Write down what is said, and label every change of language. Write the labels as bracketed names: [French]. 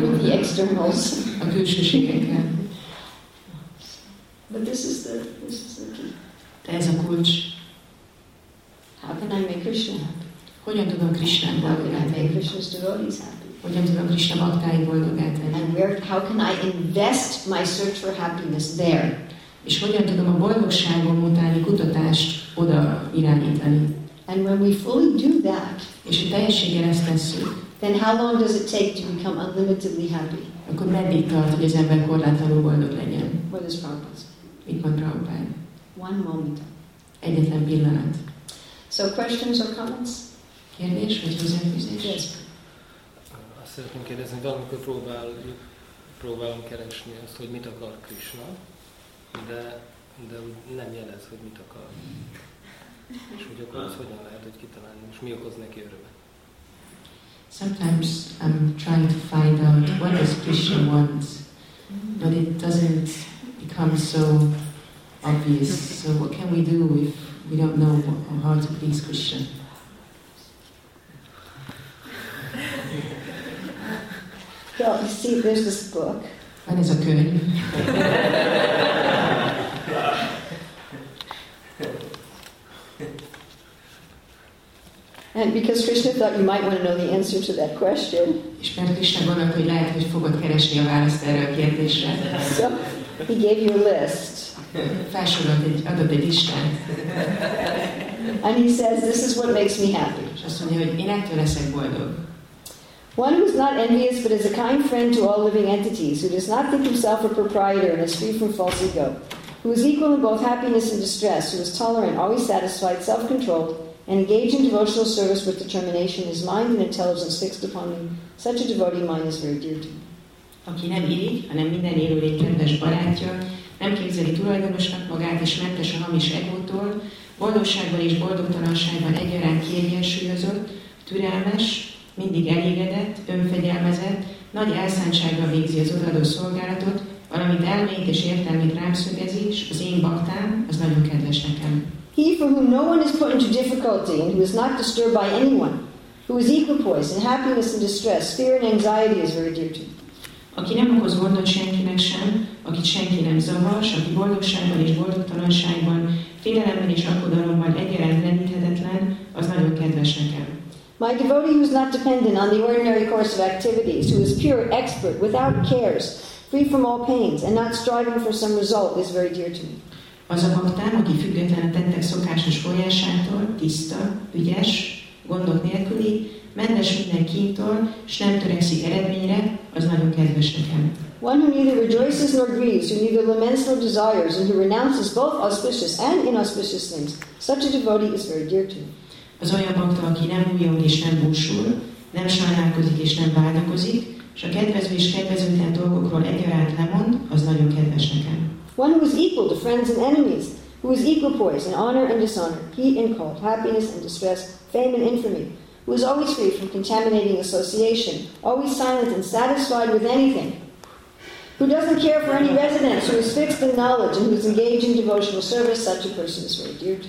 [Hungarian] gondolok. [English] The externals. [Hungarian] A külsőségekkel. [English] But this is the key. [Hungarian] De ez a kulcs. [English] How can I make Krishna happy? [Hungarian] Hogyan tudom Krishna boldogát tenni? [English] Krishna's devotees happy. [Hungarian] Hogyan tudom Krishna baktáit boldogát tenni? [English] And where, how can I invest my search for happiness there? [Hungarian] És hogyan tudom a boldogságom utáni kutatást oda irányítani? [English] And when we fully do that, [Hungarian] és ha teljességgel ezt tesszük, [English] then how long does it take to become unlimitedly happy? [Hungarian] Akkor meddig tart, hogy az ember korlátlanul boldog legyen? [English] What is Prabhupada? [Hungarian] Mit mond Prabhupada? [English] One moment. [Hungarian] Egyetlen pillanat. [English] So questions or comments? [Hungarian] Kérdés vagy hozzáfűzés? [English] Yes. [Hungarian] Azt szeretném kérdezni, de amikor próbálom keresni azt, hogy mit akar Krishna, de nem jelez, hogy mit akar. És hogy akkor az hogyan lehet, hogy kitalálni, és mi okoz neki örömet? [English] Sometimes I'm trying to find out what does Krishna want, but it doesn't become so obvious. So what can we do if we don't know how to please Krishna? Well, you see, there's this book. And it's a good. And because Krishna thought you might want to know the answer to that question. [Hungarian] És mert Krishna gondolta, hogy lehet, hogy fogod keresni a választ erre a kérdésre. [English] So, he gave you a list. [Hungarian] Felsorolt egy adott listát. [English] And he says, this is what makes me happy. [Hungarian] És azt mondja, hogy én ettől leszek boldog. [English] One who is not envious, but is a kind friend to all living entities, who does not think himself a proprietor and is free from false ego, who is equal in both happiness and distress, who is tolerant, always satisfied, self-controlled, and engage in devotional service with determination, his mind and intelligence fixed upon me. Such a devotee mind is very dear to me. [Hungarian] Aki nem irigy, hanem minden élőlény kedves barátja, nem képzeli tulajdonosnak magát, és mentes a hamis egótól, boldogságban és boldogtalanságban egyaránt kiegyensúlyozott, türelmes, mindig elégedett, önfegyelmezett, nagy elszántsággal végzi az odaadó szolgálatot, valamint elmét és értelmét rám szögezés, az én baktám, az nagyon kedves nekem. [English] He for whom no one is put into difficulty, and who is not disturbed by anyone, who is equipoised in happiness and distress, fear and anxiety is very dear to him. [Hungarian] Aki nem okoz gondot senkinek sem, akit senki nem zavar, s aki boldogságban és boldogtalanságban, félelemben és aggodalomban egyaránt leníthetetlen, az nagyon kedves nekem. [English] My devotee who is not dependent on the ordinary course of activities, who is pure, expert, without cares, free from all pains, and not striving for some result, is very dear to me. [Hungarian] Az a baktám, aki függetlenül tettek szokásos folyásától, tiszta, ügyes, gondok nélküli, mentes minden kintől, s nem törekszik eredményre, az nagyon kedves nekem. [English] One who neither rejoices nor grieves, who neither laments nor desires, and who renounces both auspicious and inauspicious things, such a devotee is very dear to me. [Hungarian] Az olyan bakta, aki nem újjon és nem búsul, nem sajnálkozik és nem vádakozik, s a kedvező és kedvezőtlen dolgokról egyaránt lemond, az nagyon kedves nekem. [English] One who is equal to friends and enemies, who is equal poised in honor and dishonor, heat and cold, happiness and distress, fame and infamy, who is always free from contaminating association, always silent and satisfied with anything, who doesn't care for any residence, who is fixed in knowledge and who is engaged in devotional service, such a person is very dear to